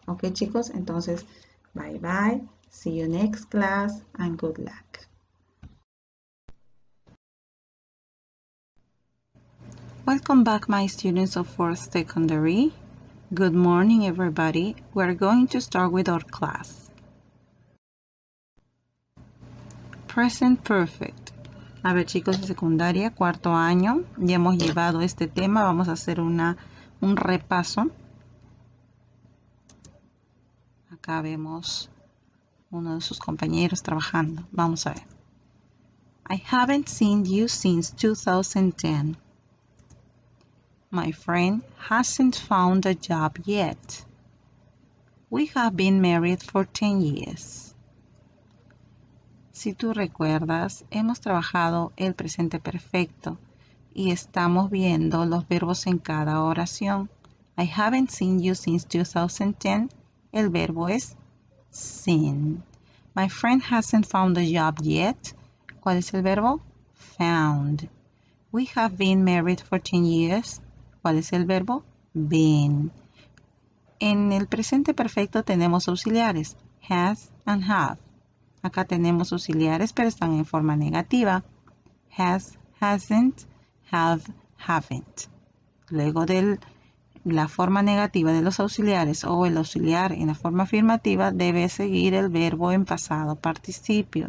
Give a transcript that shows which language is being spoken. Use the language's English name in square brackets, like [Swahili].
[English] Ok, [Spanish] chicos, entonces, [English] bye bye, see you next class and good luck. Welcome back, my students of fourth secondary. Good morning, everybody. We're going to start with our class. Present perfect. [Spanish] A ver, chicos de secundaria, cuarto año, ya hemos llevado este tema, vamos a hacer un repaso. Acá vemos uno de sus compañeros trabajando. Vamos a ver. [English] I haven't seen you since 2010. My friend hasn't found a job yet. We have been married for 10 years. [Spanish] Si tú recuerdas, hemos trabajado el presente perfecto y estamos viendo los verbos en cada oración. [English] I haven't seen you since 2010. [Spanish] El verbo es [English] seen. My friend hasn't found a job yet. [Spanish] ¿Cuál es el verbo? [English] Found. We have been married for 10 years. [Spanish] ¿Cuál es el verbo? Been. En el presente perfecto tenemos auxiliares. [English] Has and have. [Spanish] Acá tenemos auxiliares, pero están en forma negativa. Has, hasn't, have, haven't. Luego de la forma negativa de los auxiliares o el auxiliar en la forma afirmativa, debe seguir el verbo en pasado participio.